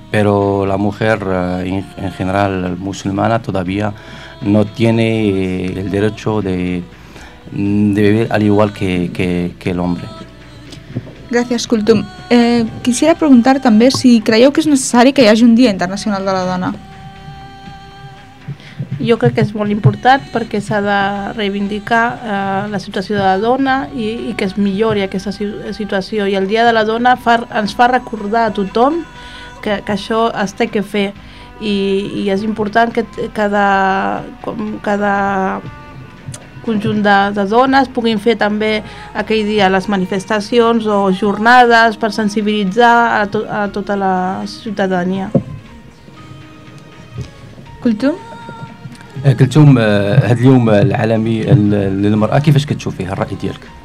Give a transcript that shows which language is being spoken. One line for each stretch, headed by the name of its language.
Spanish: Pero la mujer en general musulmana todavía no tiene el derecho de vivir al igual que el hombre. Gracias, Kultum. Quisiera preguntar también si creyó que es necesario que haya un Día Internacional de la Dona.
Catalan: Jo crec que és molt important, perquè s'ha de reivindicar la situació de la dona i que es millori aquesta situació. I el Dia de la Dona ens fa recordar a tothom que això es té que fer. I és important que cada conjunt de dones puguin fer també aquell dia les manifestacions o jornades per sensibilitzar a tota la ciutadania. Cultum?
Arabic: قلتم هذا اليوم العالمي للمرأة، كيفاش كتشوفيه؟ الرأي ديالك؟